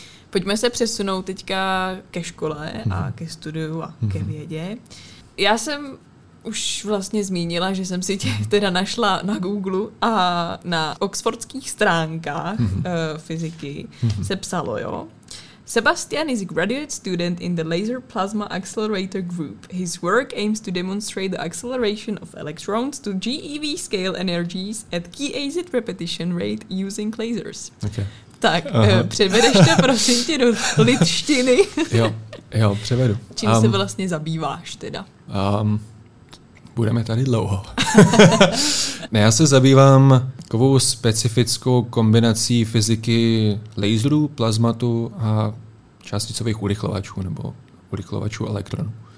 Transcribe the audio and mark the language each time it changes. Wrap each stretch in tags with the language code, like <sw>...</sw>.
<cs>Pojďme se přesunout teďka ke škole a ke studiu a ke vědě. Já jsem už vlastně zmínila, že jsem si tě teda našla na Google a na oxfordských stránkách fyziky se psalo, jo.</cs> <en>Sebastian is a graduate student in the Laser Plasma Accelerator Group. His work aims to demonstrate the acceleration of electrons to GeV scale energies at key AZ repetition rate using lasers. Okay.</en> <cs>Tak, převedeš to prosím tě do lidštiny. Jo, převedu. Čím se vlastně zabýváš teda? Budeme tady dlouho. Ne, já se zabývám takovou specifickou kombinací fyziky laserů, plazmatu a částicových urychlovačů nebo urychlovačů elektronů.</cs>